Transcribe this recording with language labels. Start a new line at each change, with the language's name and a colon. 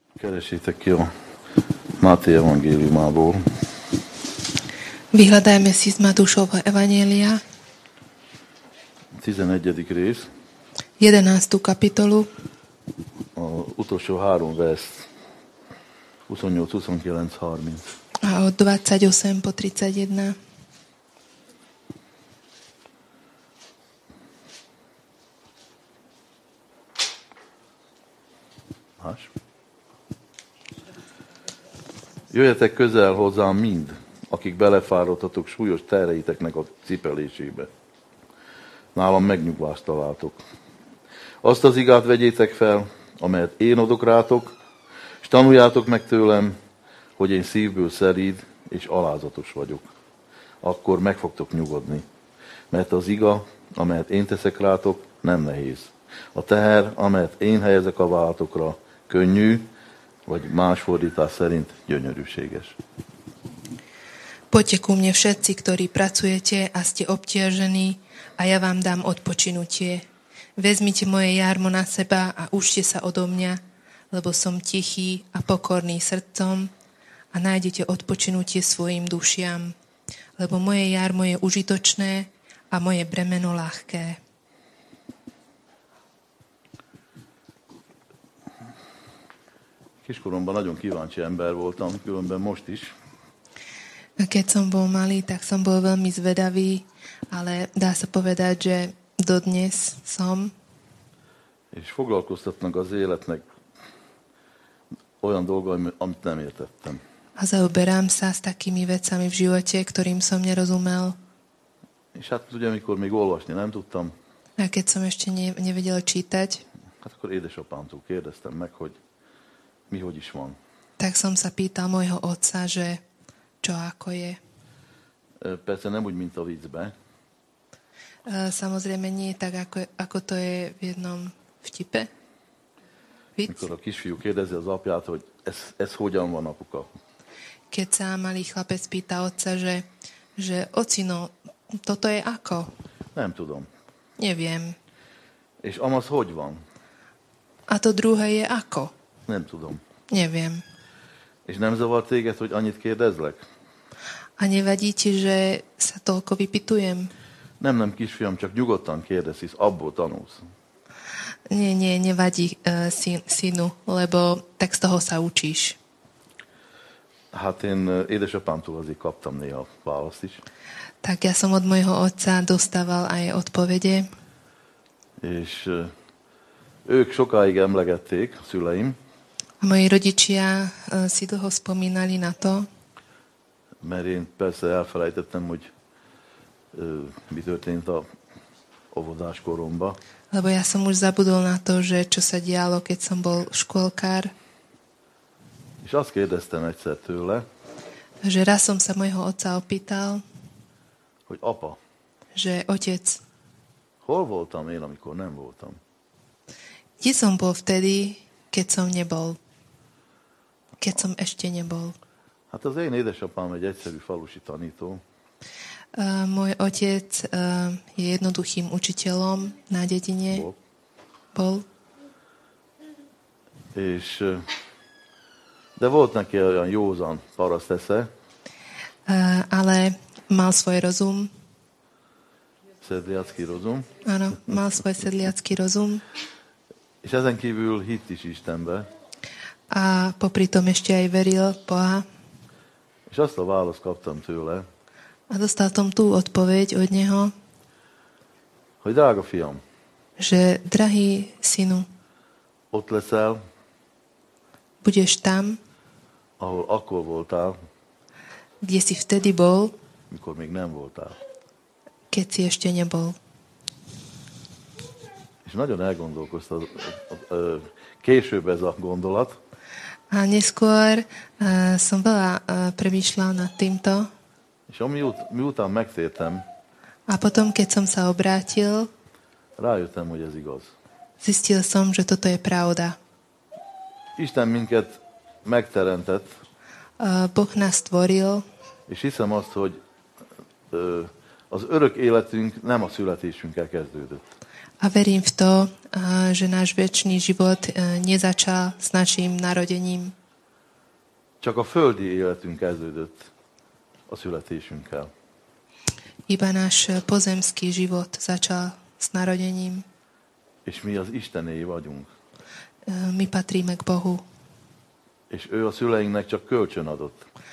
Hungarian: Keresitek ki a Máté evangéliumából.
Slovak: Vyhľadajme si z Matúšovho evanjelia.
Hungarian: 11. rész.
Slovak: 11. kapitolu.
Hungarian: A utolsó három vers. 28, 29, 30.
Slovak: A od 28 po 31.
Hungarian: Más? Jöjjetek közel hozzám mind, akik belefáradtatok súlyos terheiteknek a cipelésébe. Nálam megnyugvást találtok. Azt az igát vegyétek fel, amelyet én adok rátok, és tanuljátok meg tőlem, hogy én szívből szeríd és alázatos vagyok. Akkor meg fogtok nyugodni, mert az iga, amelyet én teszek rátok, nem nehéz. A teher, amelyet én helyezek a vállatokra, könnyű, vagy más fordítás szerint gyönyörűséges.
Slovak: Poďte ku mne všetci, ktorí pracujete a ste obťažení, a ja vám dám odpočinutie. Vezmite moje jarmo na seba a učte sa odo mňa, lebo som tichý a pokorný srdcom a nájdete odpočinutie svojim dušiam, lebo moje jarmo je užitočné a moje bremeno ľahké.
Hungarian: Kiskoromban nagyon kíváncsi ember voltam, különben most is.
Slovak: Keď som bol malý, tak som bol veľmi zvedavý, ale dá sa povedať, že dodnes som.
Hungarian: És foglalkoztatnak az életnek olyan dolgo, amit nem értettem.
Slovak: A zaoberám sa s takými vecami v živote, ktorým som nerozumel.
Hungarian: És hát ugye, amikor még olvasni nem tudtam.
Slovak: A keď som ešte nevedel čítať.
Hungarian: Hát akkor édesapámtól kérdeztem meg, hogy mi hogy is van.
Slovak: Tak som sa pýtal môjho otca, že čo ako je.
Hungarian: Persze nem úgy, mint a vícbe.
Slovak: Samozrejme nie tak, ako to je v jednom vtipe.
Hungarian: Víc? Mikor a kisfiú kérdezi az apját, hogy ez hogyan van, apuka?
Slovak: Keď sa malý chlapec pýta otca, že ocino, toto je ako?
Hungarian: Nem tudom.
Slovak: Neviem.
Hungarian: És amaz hogy van?
Slovak: A to druhé je ako?
Hungarian: Nem tudom.
Slovak: Neviem.
Hungarian: És nem zavar téged, hogy annyit kérdezlek?
Slovak: A nevadí ti, že sa toľko vypitujem?
Hungarian: Nem, kisfiam, csak nyugodtan kérdez, hisz abból tanulsz.
Slovak: Nie, nevadí, synu, lebo tak z toho sa učíš.
Hungarian: Hát én édesapámtól azért kaptam néha választ is.
Slovak: Tak ja som od mojho otca dostával aj odpovede.
Hungarian: És ők sokáig emlegették, szüleim.
Slovak: A moji rodičia si dlho spomínali na to.
Hungarian: Mert én persze elfelejtettem, hogy mi történt a óvodás koromba.
Slovak: Lebo ja som už zabudol na to, že čo sa dialo, keď som bol škôlkár.
Hungarian: És azt kérdeztem egyszer tőle.
Slovak: Že raz som sa mojho otca opýtal.
Hungarian: Hogy apa.
Slovak: Že otec.
Hungarian: Hol voltam én, amikor nem voltam?
Slovak: Kde som bol vtedy, keď som nebol? Keď som ešte nebol.
Hungarian: Hát az én édesapám egy egyszerű falusi tanító.
Slovak: Môj otec je jednoduchým učiteľom na dedine. Bol.
Hungarian: És, de volt neki olyan józan paraszt esze.
Slovak: Ale mal svoj rozum. Sedliacký rozum. Áno, mal svoj sedliacký rozum.
Hungarian: És ezen kívül hitt is Istenbe.
Slovak: A popri tom ešte aj veril Boha.
Hungarian: És azt a választ kaptam tőle.
Slovak: A dostal tom tú odpoveď od neho.
Hungarian: Hogy drága fiam.
Slovak: Že drahý synu.
Hungarian: Ott leszel.
Slovak: Budeš tam.
Hungarian: Ahol akkor voltál.
Slovak: Kde si vtedy bol.
Hungarian: Mikor még nem voltál.
Slovak: Keď si ešte nebol.
Hungarian: És nagyon elgondolkozta később ez a gondolat.
Slovak: A neskôr som veľa premýšľal nad týmto.
Hungarian: És miután megtértem.
Slovak: A potom, keď som sa obrátil.
Hungarian: Rájöttem, hogy ez igaz.
Slovak: Zistil som, že toto je pravda.
Hungarian: Isten minket megteremtett.
Slovak: Boh nás stvoril.
Hungarian: És hiszem azt, hogy az örök életünk nem a születésünkkel kezdődött.
Slovak: A verím v to, že náš večný život nezačal s naším narodením.
Hungarian: Csak a földi életünk kezdődött a születésünkkel.
Slovak: Iba náš pozemský život začal s narodením.
Hungarian: És mi az Istenéi vagyunk.
Slovak: Mi patríme k Bohu.
Hungarian: És ő a szüleinknek csak kölcsön adott.